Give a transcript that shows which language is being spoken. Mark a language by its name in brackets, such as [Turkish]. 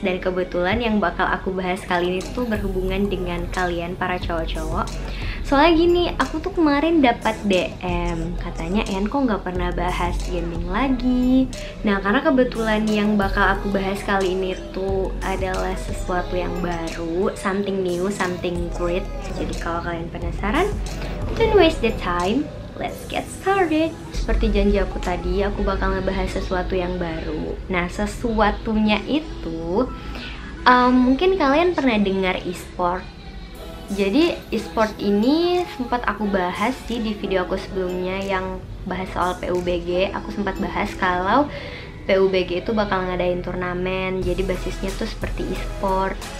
[Indonesian] Dan kebetulan yang bakal aku bahas kali ini tuh berhubungan dengan kalian para cowok-cowok. Soalnya gini, aku tuh kemarin dapat DM, katanya Ian kok gak pernah bahas gaming lagi. Nah, karena kebetulan yang bakal aku bahas kali ini tuh adalah sesuatu yang baru, [English] something new, something great. [Indonesian] Jadi kalau kalian penasaran, [English] don't waste the time, let's get started. [Indonesian] Seperti janji aku tadi, aku bakal ngebahas sesuatu yang baru. Nah, sesuatunya itu mungkin kalian pernah dengar e-sport. Jadi e-sport ini sempat aku bahas sih di video aku sebelumnya yang bahas soal PUBG. Aku sempat bahas kalau PUBG itu bakal ngadain turnamen, jadi basisnya tuh seperti e-sport.